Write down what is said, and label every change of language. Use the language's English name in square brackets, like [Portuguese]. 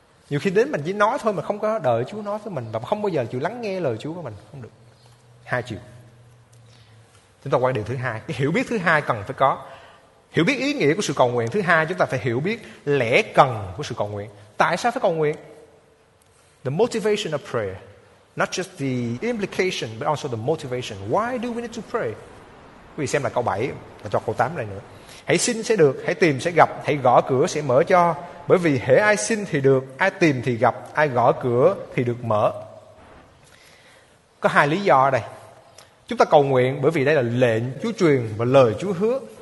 [Vietnamese] Nhiều khi đến mình chỉ nói thôi mà không có đợi Chúa nói với mình, và không bao giờ chịu lắng nghe lời Chúa của mình, không được. Hai chiều. Chúng ta quay điều thứ hai, cái hiểu biết thứ hai cần phải có. Hiểu biết ý nghĩa của sự cầu nguyện. Thứ hai, chúng ta phải hiểu biết lẽ cần của sự cầu nguyện. Tại sao phải cầu nguyện? [English] The motivation of prayer. Not just the implication, but also the motivation. Why do we need to pray? [Vietnamese] Quý vị xem là câu 7, và cho câu 8 này nữa. Hãy xin sẽ được, hãy tìm sẽ gặp, hãy gõ cửa sẽ mở cho. Bởi vì hễ ai xin thì được, ai tìm thì gặp, ai gõ cửa thì được mở. Có hai lý do ở đây. Chúng ta cầu nguyện bởi vì đây là lệnh Chúa truyền và lời Chúa hứa.